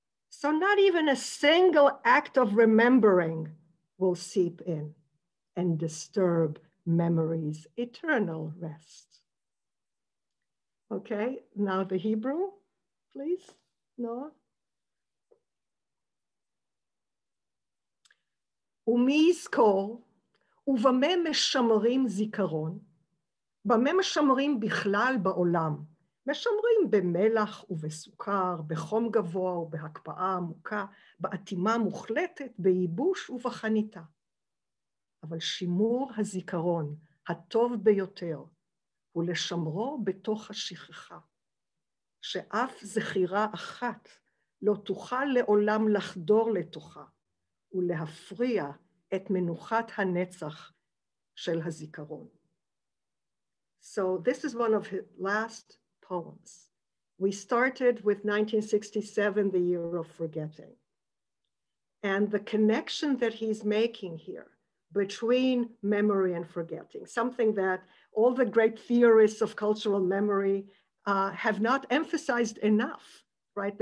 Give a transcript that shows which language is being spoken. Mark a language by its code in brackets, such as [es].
[en] So not even a single act of remembering will seep in and disturb memory's eternal rest. Okay, now the Hebrew, please, Noah. [he] ומי יזכור, ובמה משמרים זיכרון? במה משמרים בכלל בעולם? משמרים במלח ובסוכר, בחום גבוה ובהקפאה עמוקה, באטימה מוחלטת, בייבוש ובחניתה. אבל שימור הזיכרון הטוב ביותר הוא לשמרו בתוך השכחה, שאף זכירה אחת לא תוכל לעולם לחדור לתוכה ולהפריע את מנוחת הנצח של הזיכרון. [en] So this is one of his last poems. We started with 1967, the year of forgetting. And the connection that he's making here between memory and forgetting, something that all the great theorists of cultural memory have not emphasized enough, right?